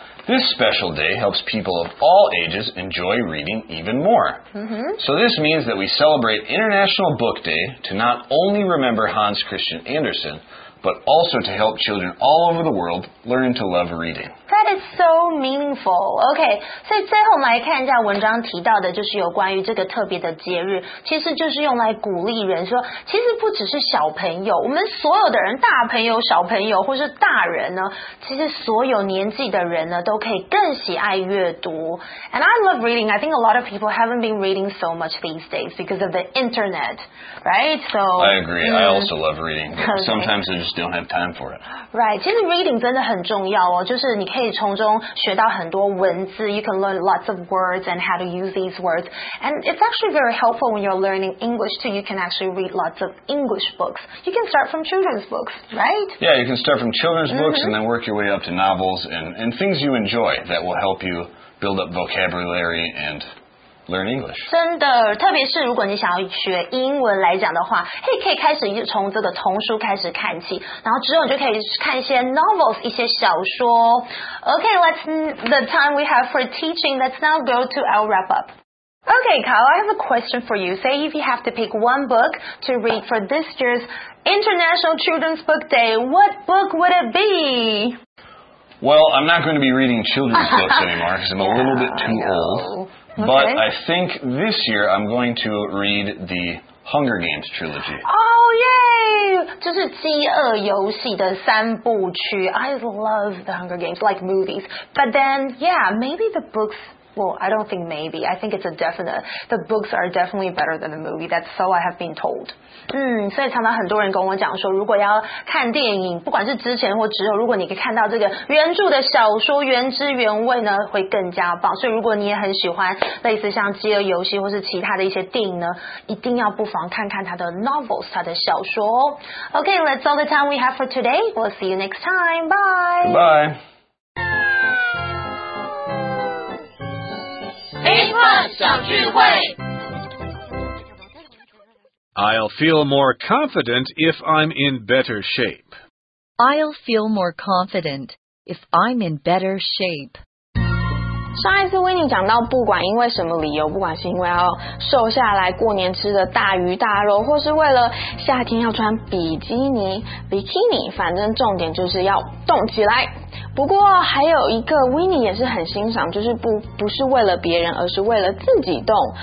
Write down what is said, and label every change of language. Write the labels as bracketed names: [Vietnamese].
[English] This special day helps people of all ages enjoy reading even more. So this means that we celebrate International Book Day to not only remember Hans Christian Andersen, but also to help children all over the world learn to love reading. That is so meaningful. [Chinese] Okay, 所以最后我们来看一下文章提到的，就是有关于这个特别的节日，其实就是用来鼓励人说，其实不只是小朋友，我们所有的人，大朋友、小朋友或是大人呢，其实所有年纪的人呢，都可以更喜爱阅读。 [English] And I love reading. I think a lot of people haven't been reading so much these days because of the internet, right? So I agree. I also love reading. But sometimes I just don't have time for it. [Chinese] Right. 其实 reading 真的很重要哦，就是你。可以从中学到很多文字 [English] You can learn lots of words and how to use these words. And it's actually very helpful when you're learning English too. You can actually read lots of English books. You can start from children's books, right? Yeah, you can start from children's books and then work your way up to novels and things you enjoy that will help you build up vocabulary andLearn English. [Chinese] 真的，特别是如果你想要学英文来讲的话，嘿，可以开始从这个童书开始看起，然后之后你就可以看一些 novels， 一些小说。 [English] Okay, that's the time we have for teaching. Let's now go to our wrap up. Okay, Kyle, I have a question for you. Say if you have to pick one book to read for this year's International Children's Book Day, what book would it be? Well, I'm not going to be reading children's books anymore because I'm a little bit too old. But I think this year I'm going to read the Hunger Games trilogy. Oh, yay! [Chinese] 就是饥饿游戏的三部曲。 [English] I love the Hunger Games, like movies. But then, yeah, maybe the books... Well, I don't think maybe. I think it's a definite. The books are definitely better than the movie. That's so I have been told. [Chinese] 所以常常很多人跟我讲说，如果要看电影，不管是之前或之后，如果你可以看到这个原著的小说原汁原味呢，会更加棒。所以如果你也很喜欢类似像《饥饿游戏》或是其他的一些电影呢，一定要不妨看看它的 novels， 它的小说。 [English] Okay, that's all the time we have for today. We'll see you next time. Bye. Goodbye. I'll feel more confident if I'm in better shape. I'll feel more confident if I'm in better shape. [Chinese] 上一次为你讲到，不管因为什么理由，不管是因为要瘦下来过年吃的大鱼大肉，或是为了夏天要穿比基尼，反正重点就是要动起来。不过还有一个维尼也是很欣赏，就是不是为了别人，而是为了自己动。